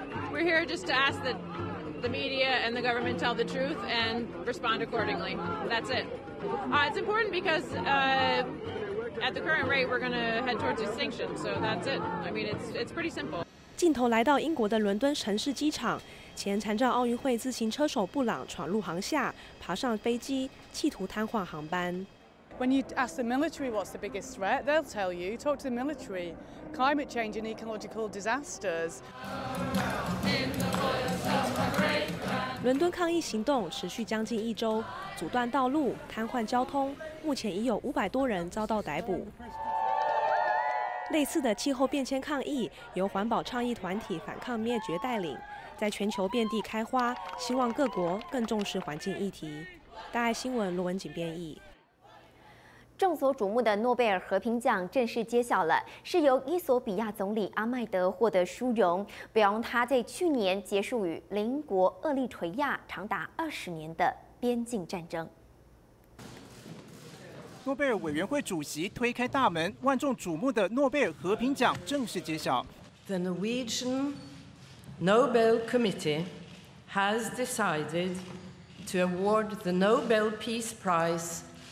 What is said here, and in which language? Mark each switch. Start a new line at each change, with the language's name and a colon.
English: We're here just to ask that the media and the government tell the truth and respond accordingly. That's it. It's important because at the current rate, we're going to head towards extinction. So that's it. I mean, it's pretty simple.
Chinese: 镜头来到英国的伦敦城市机场，前残障奥运会自行车手布朗闯入航厦，爬上飞机，企图瘫痪航班。
English: When you ask the military what's the biggest threat, they'll tell you, talk to the military, climate change and ecological disasters.
Chinese: 伦敦抗议行动持续将近1周，阻断道路，瘫痪交通，目前已有500多人遭到逮捕。类似的气候变迁抗议由环保倡议团体反抗灭绝带领，在全球遍地开花，希望各国更重视环境议题。大爱新闻罗文锦编译。众所瞩目的诺贝尔和平奖正式揭晓了，是由伊索比亚总理阿麦德获得殊荣，表扬他在去年结束与邻国厄立垂亚长达20年的边境战争。诺贝尔委员会主席推开大门，万众瞩目的诺贝尔和平奖正式揭晓。
English: The Norwegian Nobel Committee has decided to award the Nobel Peace Prize.